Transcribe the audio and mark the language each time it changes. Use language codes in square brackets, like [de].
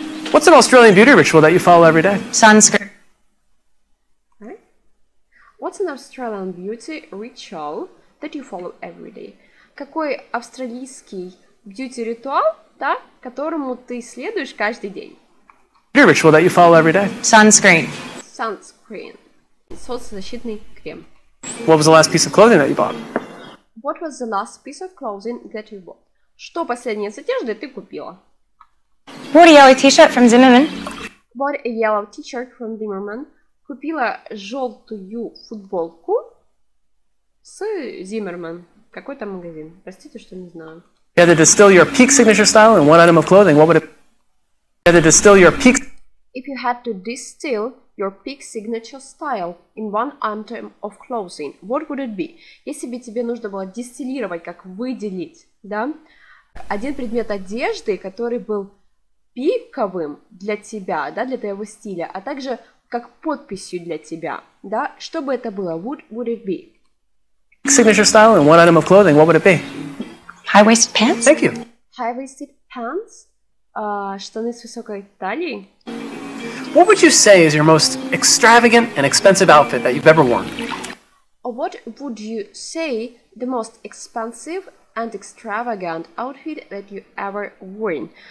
[en] What's an Australian beauty ritual that you follow every day? Sunscreen. Okay. What's an Australian beauty ritual that you follow every day? [ru] Какой австралийский beauty ритуал, да, которому ты следуешь каждый день? [en] Ritual that you follow every day? Sunscreen. Sunscreen. [ru] Солнцезащитный крем. [en] What was the last piece of clothing that you bought? What was the last piece of clothing that you bought? [ru] Что последнее с одежды ты купила? [en] Bought a yellow t-shirt from Zimmerman. Bought a yellow t-shirt from Zimmerman. [ru] Купила желтую футболку с Zimmerman. Какой-то магазин. Простите, что не знаю. [en] You had to distill your peak signature style in one item of clothing. What would it be? If you had to distill your peak signature style in one item of clothing, what would it be? [ru] Если бы тебе нужно было дистиллировать, как выделить, да, один предмет одежды, который был пиковым для тебя, да, для твоего стиля, а также как подписью для тебя, да, что бы это было? [en] What would it be? Peak signature style in one item of clothing, what would it be? High-waisted pants? Thank you. High-waisted pants? [ru] Штаны с высокой талией. [en] What would you say is your most extravagant and expensive outfit that you've ever worn? What would you say the most expensive and extravagant outfit that you ever worn?